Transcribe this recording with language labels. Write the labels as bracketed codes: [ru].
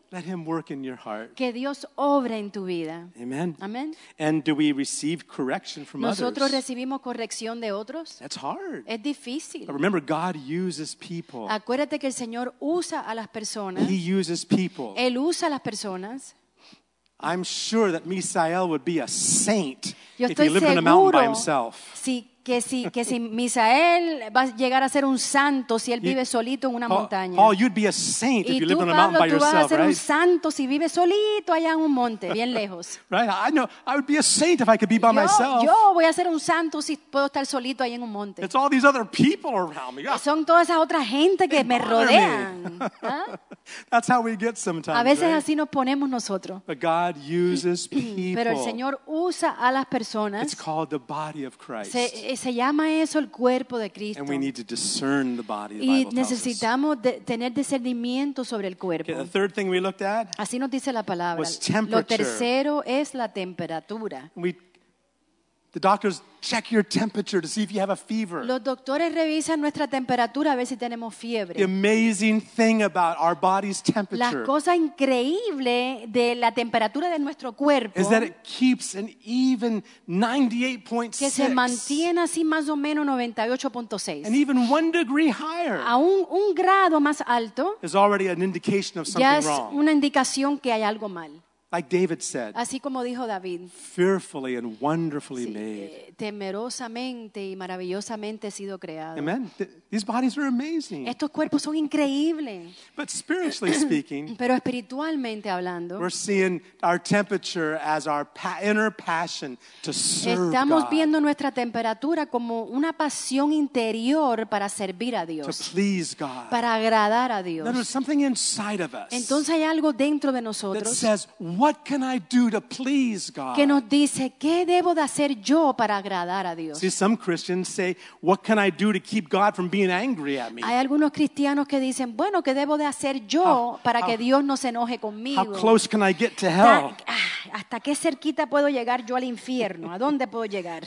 [en] Let him work in your heart. [es] Que Dios obra en tu vida. Amen. Amen. [en] And do we receive correction from [es] ¿Nosotros ¿Nosotros recibimos corrección de otros? [en] That's hard. [es] Es difícil. [en] But remember, God uses people. [es] Acuérdate que el Señor usa a las personas. [en] He uses people. [es] Él usa a las personas. [en] I'm sure that Misael would be a saint [es] yo [en] if he lived in a mountain by himself. [es] Si, que si Misael va a llegar a ser un santo si él vive solito en una montaña. [en] Paul, you'd be a saint [es] y [en] if [es] tú, [en] you lived [es] Pablo, [en] in a mountain by [es] tú [en] yourself, [es] vas a ser [en] right? [es] Un santo si vive solito allá en un monte, bien lejos. [en] Right? I know. I would be a saint if I could be by [es] yo, [en] myself. [es] Yo voy a ser un santo si puedo estar solito ahí en un monte. [en] It's all these other people around me. [es] Son toda esa otra gente que me rodean. [en] That's how we get sometimes. [es] A veces [en] right? [es] Así nos ponemos nosotros. [en] But God uses people. [es] Pero el Señor usa a las personas. [en] It's called the body of Christ. [es] Se llama eso el cuerpo de Cristo. [en] And we need to discern the body. [es] Y necesitamos tener discernimiento sobre el cuerpo. [en] Okay, the third thing we looked at. [es] Así nos dice la palabra. [en] Was temperature. [es] Lo tercero es la temperatura. [en] The doctors check your temperature to see if you have a fever. [es] Los doctores revisan nuestra temperatura a ver si tenemos fiebre. [en] The amazing thing about our body's temperature. [es] La cosa increíble de la temperatura de nuestro cuerpo. [en] Is that it keeps an even 98.6. [es] Que se mantiene así más o menos 98.6. [en] And even 1 degree higher. [es] Aún un grado más alto. [en] Is already an indication of something wrong. [es] Ya es una indicación que hay algo mal. [en] Like David said, [es] así como dijo David, [en] fearfully and wonderfully made. [es] Temerosamente y maravillosamente he sido creado. [en] Amen. These bodies are amazing. [es] Estos cuerpos son increíbles. [en] But spiritually speaking, [es] pero espiritualmente hablando, [en] we're seeing our temperature as our inner passion to serve God. [es] Estamos viendo nuestra temperatura como una pasión interior para servir a Dios. [en] To please God. [es] Para agradar a Dios. [en] There's something inside of us. [es] Entonces hay algo dentro de nosotros. [en] That says, what can I do to please God? [es] Que nos dice, ¿qué debo de hacer yo para agradar a Dios? [en] See, some Christians say, what can I do to keep God from being angry at me? [es] Hay algunos cristianos que dicen, bueno, ¿qué debo de hacer yo para que Dios no se enoje conmigo? [en] How close can I get to hell? [es] ¿Hasta qué cerquita puedo llegar yo al infierno? ¿A dónde puedo llegar?